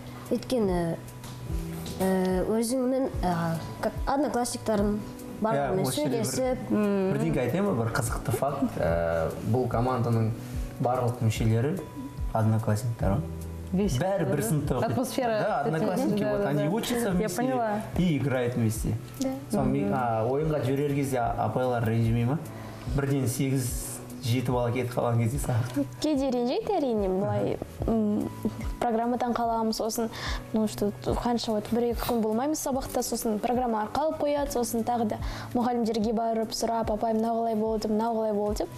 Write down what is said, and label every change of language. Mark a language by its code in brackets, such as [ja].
[kk] Өйткені өзіңнің одноклассниктарың барлығымен сөйлесіп. Бірдеңке айтайын ба, бір қызықты факт. Бұл команданың барлық мүшелері одноклассниктары. [ru] Весь [kk] бәрі бір сыныпта оқиды. Атмосфера. [ru] Да, одноклассники, вот, они учатся вместе. Я поняла. И играют вместе. Да. [kk] Сон, ойынға жүрер кезде апайлар ренжімей ма? Бірден 8-7 бала кетіп қалған кезде сағат. Кейде ренжейді әрине, былай программадан қаламыз, сосын, [ru] ну, что, [kk] қанша вот бір-екі күн болмаймыз сабақта, сосын программа арқалып қояды, сосын тағы да мұғалімдерге барып сұрап, апай, мынау қалай болды, мынау қалай болды деп.